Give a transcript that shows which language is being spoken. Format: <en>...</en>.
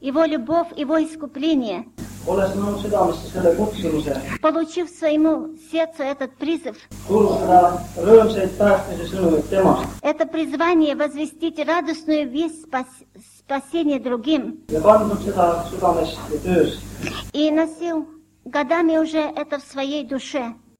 <ru>Его любовь, его искупление.</ru> <et>Oles nõu südamest selle kutsumuse.</et> <ru>Получив своему сердцу этот призыв.</ru> <et>Kuulutada rõõmseid päästmise sõnumid temast.</et> <ru>Это призвание возвестить радостную весть спасение другим.</ru> <et>Ja kandnud seda südamest ja töös.</et> <ru>И носил годами уже это в своей душе.</ru>